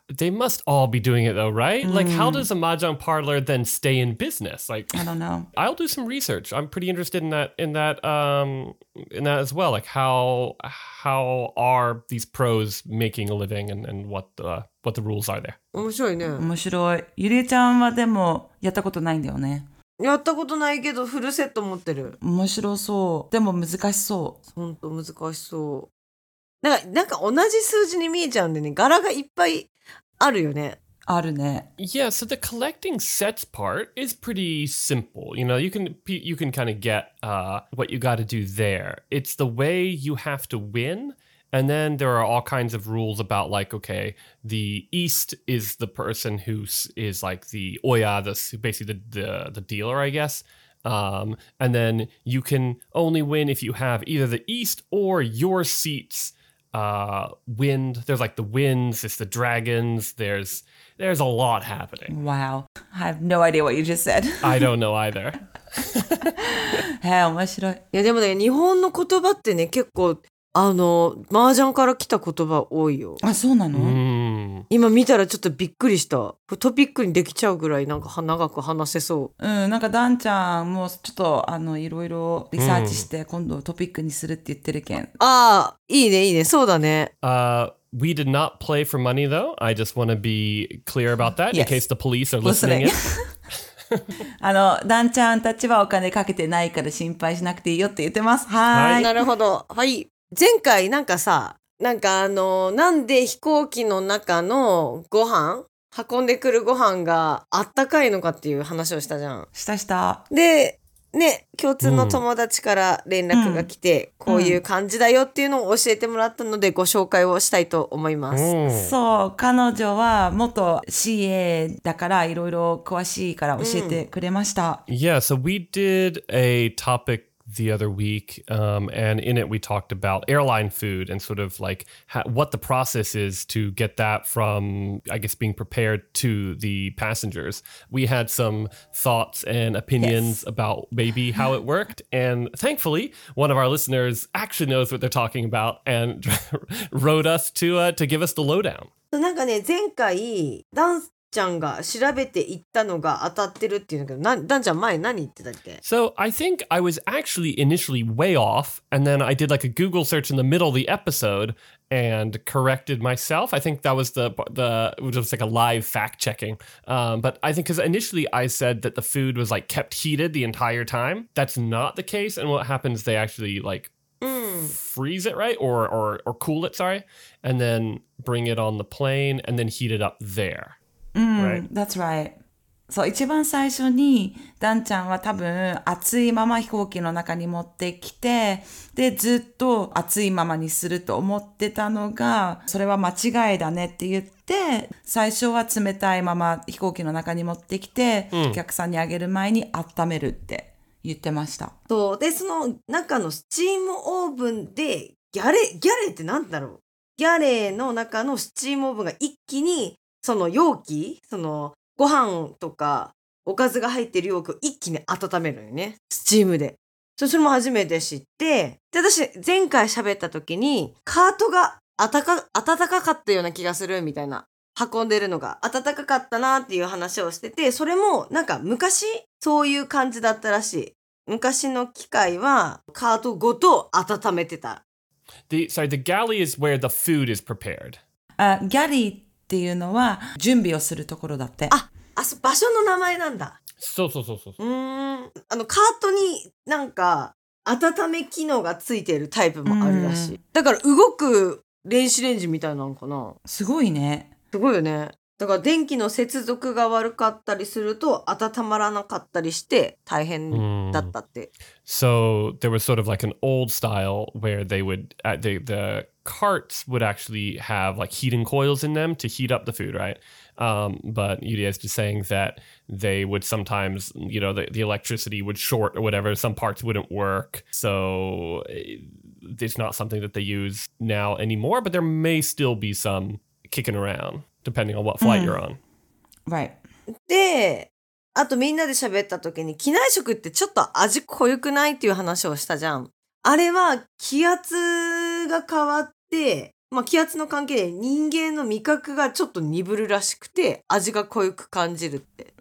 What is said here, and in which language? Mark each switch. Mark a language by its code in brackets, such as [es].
[en] They must all be doing it though, right? Like, how does a mahjong parlor then stay in business? Like, I don't know. I'll do some research. I'm pretty interested in that as well. Like, how are these pros making a living and what the rules are there? [ja] 面白いね。面白い。ゆりえちゃんはでもやったことないんだよね。やったことないけどフルセット持ってる。面白そう。でも難しそう。本当難しそう。なんか同じ数字に見えちゃうんでね。柄がいっぱいあるよね。あるね。 [en] Yeah, so the collecting sets part is pretty simple. You know, you can kind of get what you got to do there. It's the way you have to win. And then there are all kinds of rules about like, okay, the East is the person who is like the Oya, basically the dealer, I guess. And then you can only win if you have either the east or your seats. Wind. There's like the winds. It's the dragons. There's a lot happening. Wow, I have no idea what you just said. I don't know either. [ja] Hey, 面白い。いやでもね、日本の言葉ってね、結構あの麻雀から来た言葉多いよ。あ、そうなの？今見たらちょっとびっくりした。トピックにできちゃうぐらいなんか長く話せそう。うん、なんかダンちゃんもちょっとあのいろいろリサーチして今度トピックにするって言ってるけん。ああ、いいねいいね、そうだね。 [en] We did not play for money though. I just want to be clear about that in case the police are listening. [ja] あの、ダンちゃんたちはお金かけてないから心配しなくていいよって言ってます。はい。なるほど。はい。前回なんかさ、なんかあの、なんで飛行機の中のご飯、運んでくるご飯があったかいのかっていう話をしたじゃん。したした。で、ね、共通の友達から連絡が来て、うん、こういう感じだよっていうのを教えてもらったのでご紹介をしたいと思います。うん、そう、彼女は元 CA だからいろいろ詳しいから教えてくれました。 [en] うん、yeah, so we did a topic the other week, and in it we talked about airline food and sort of like what the process is to get that from, I guess, being prepared to the passengers. We had some thoughts and opinions about maybe how it worked, and thankfully, one of our listeners actually knows what they're talking about and wrote us to give us the lowdown. [ja] なんかね、前回ダンスちゃんが調べて行ったのが当たってるっていうんだけど、ダンちゃん前何言ってたっけ？ [en] So I think I was actually initially way off, and then I did like a Google search in the middle of the episode and corrected myself. I think that was the which was like a live fact checking. But I think because initially I said that the food was like kept heated the entire time. That's not the case. And what happens? They actually like freeze it, right? Or cool it, sorry, and then bring it on the plane and then heat it up there. うん、right. That's right. [ja] そう、一番最初にダンちゃんは多分熱いまま飛行機の中に持ってきて、でずっと熱いままにすると思ってたのが、それは間違いだねって言って、最初は冷たいまま飛行機の中に持ってきて、お客さんにあげる前に温めるって言ってました。そう、でその中のスチームオーブンでギャレってなんだろう。ギャレの中のスチームオーブンが一気にその容器、そのご飯とかおかずが入っている容器を一気に温めるのね、スチームで。それも初めて知って、で私前回喋った時にカートが温かかったような気がするみたいな、運んでるのが温かかったなっていう話をしてて、それもなんか昔そういう感じだったらしい。昔の機械はカートごと温めてた。 [en] The galley is where the food is prepared. [ja] Galley っていうのは準備をするところだって。あ、場所の名前なんだ。そうそうそうそう。あのカートになんか温め機能がついてるタイプもあるらしい。だから動く電子レンジみたいなのかな。すごいね。すごいよね。だから電気の接続が悪かったりすると温まらなかったりして大変だったって。 [en] So there was sort of like an old style where they would the carts would actually have like heating coils in them to heat up the food, right? But Yuria is just saying that they would sometimes, you know, the electricity would short or whatever, some parts wouldn't work. So it's not something that they use now anymore, but there may still be some kicking around depending on what flight you're on. Right. [ja] で、あとみんなで喋った時に機内食ってちょっと味濃ゆくないっていう話をしたじゃん。あれは気圧が変わってで、まあ、気圧の関係で人間の味覚がちょっと鈍るらしくて味が濃ゆく感じるって。